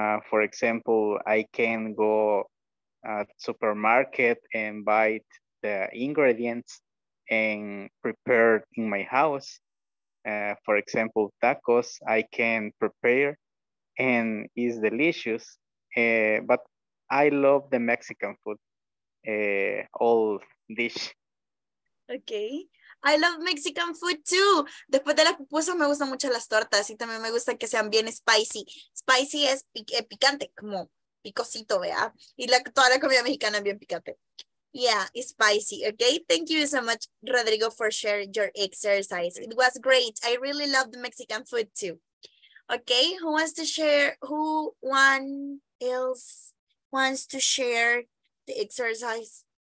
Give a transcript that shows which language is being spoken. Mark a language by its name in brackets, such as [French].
[English] For example, I can go to supermarket and buy the ingredients and prepare in my house. For example, tacos I can prepare and is delicious. But I love the Mexican food, all dish. Okay. I love Mexican food too. [Spanish] Después de la pupusa me gustan mucho las tortas y también me gusta que sean bien spicy. Spicy es picante, como picosito, ¿verdad? Y la, toda la comida mexicana es bien picante. [English] Yeah, spicy, okay? Thank you so much, Rodrigo, for sharing your exercise. It was great. I really love the Mexican food too. Okay, who wants to share? Who one else wants to share the exercise?